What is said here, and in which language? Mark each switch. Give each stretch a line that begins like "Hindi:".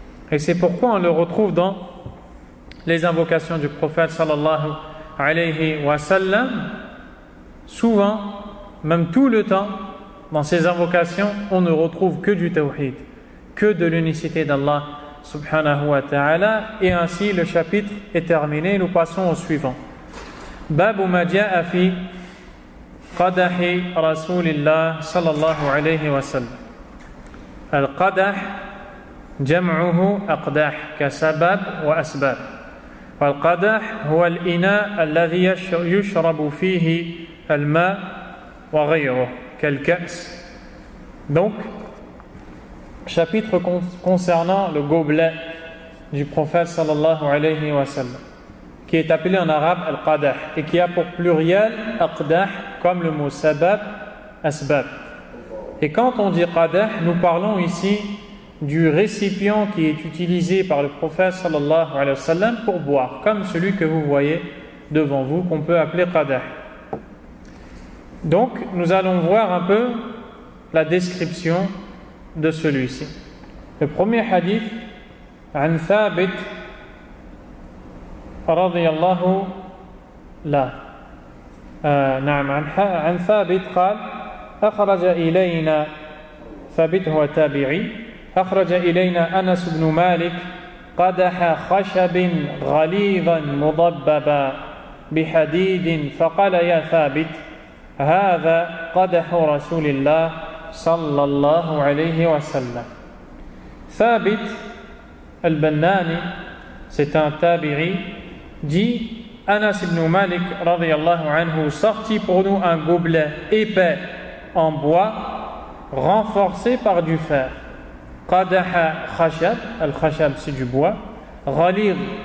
French: Et c'est pourquoi on le retrouve dans les invocations du prophète sallallahu alayhi wa sallam. Souvent, même tout le temps, dans ces invocations, on ne retrouve que du tawhid, que de l'unicité d'Allah subhanahu wa ta'ala. Et ainsi, le chapitre est terminé. Nous passons au suivant.
Arabic: Babu Madia Afi قدح رسول الله صلى الله عليه وسلم. القدح جمعه أقداح كسبب وأسباب. والقدح هو الإناء الذي يشرب فيه الماء وغيره كالكأس.
French: Donc, chapitre concernant le gobelet du prophète صلى الله عليه وسلم, qui est appelé en arabe al-qadah et qui a pour pluriel aqdah, comme le mot sabab, asbab. Et quand on dit qadah, nous parlons ici du récipient qui est utilisé par le prophète sallallahu alayhi wa sallam pour boire, comme celui que vous voyez devant vous, qu'on peut appeler qadah. Donc nous allons voir un peu la description de celui-ci. Le premier hadith,
Arabic: an thabit رضي الله لا نعم عن ثابت قال أخرج إلينا ثابت هو تابعي أخرج إلينا أنس بن مالك قدح خشب غليظا مضببا بحديد فقال يا ثابت هذا قدح رسول الله صلى الله عليه وسلم.
French: ثابت البناني c'est un تابعي dit, Anas ibn Malik radiyallahu anhu sortit pour nous un gobelet épais en bois renforcé par du fer. Qadaha khashab, al khashab c'est du bois, ghalid